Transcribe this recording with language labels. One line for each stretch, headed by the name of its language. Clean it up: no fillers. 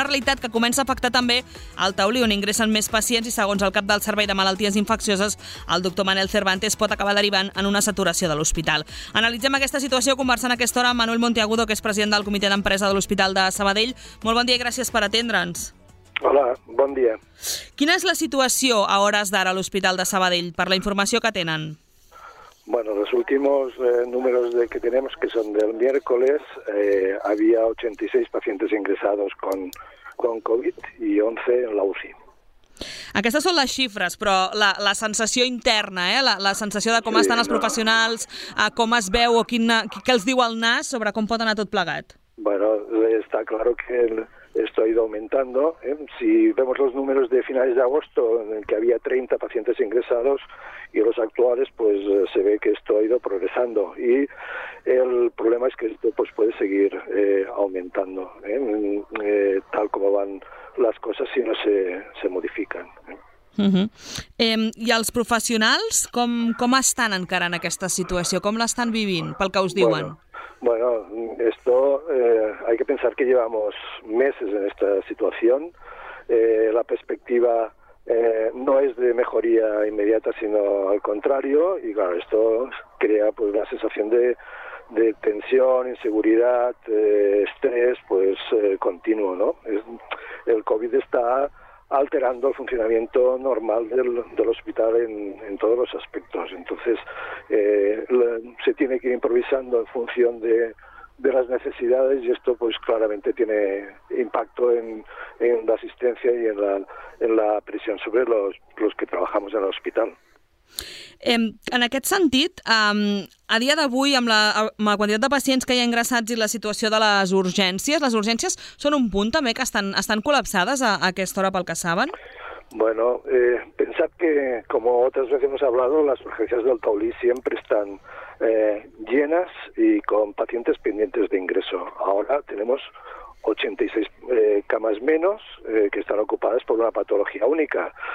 Catalan: Una realitat que comença a afectar també el Taulí, on ingressen més pacients i, segons el cap del Servei de Malalties Infeccioses, el doctor Manel Cervantes, pot acabar derivant en una saturació de l'hospital. Analitzem aquesta situació conversant a aquesta hora amb Manuel Montiagudo, que és president del Comitè d'Empresa de l'Hospital de Sabadell. Molt bon dia i gràcies per atendre'ns. Hola, bon dia. Quina és la situació a hores d'ara a l'Hospital de Sabadell, per la informació que tenen?
Spanish: Bueno, los últimos números de que tenemos, que son del miércoles, había 86 pacientes ingresados con COVID y 11 en la UCI.
Catalan: Aquestes són les xifres, però la sensació interna, la sensació de com estan els professionals, com es veu o què els diu el nas sobre com pot anar tot plegat.
Spanish: Bueno, está claro que esto ha ido aumentando. Si vemos los números de finales de agosto, en el que había 30 pacientes ingresados, y los actuales, pues se ve que esto ha ido progresando. Y el problema es que esto pues puede seguir aumentando, tal como van las cosas, si no se modifican.
Catalan: I els professionals, com estan encara en aquesta situació? Com l'estan vivint, pel que us diuen?
Spanish: Bueno, esto hay que pensar que llevamos meses en esta situación. La perspectiva no es de mejoría inmediata, sino al contrario. Y claro, esto crea pues la sensación de tensión, inseguridad, estrés, pues continuo, ¿no? El COVID está alterando el funcionamiento normal del hospital en todos los aspectos. Entonces, se tiene que ir improvisando en función de las necesidades, y esto pues claramente tiene impacto en la asistencia y en la presión sobre los que trabajamos en el hospital.
Catalan: En aquest sentit, a dia d'avui, amb la quantitat de pacients que hi ha ingressats i la situació de les urgències són un punt també que estan col·lapsades a aquesta hora, pel que saben?
Spanish: Bueno, pensad que, como otras veces hemos hablado, las urgencias del Taulí siempre están llenas y con pacientes pendientes de ingreso. Ahora tenemos 86 camas menos que están ocupadas por una patología única.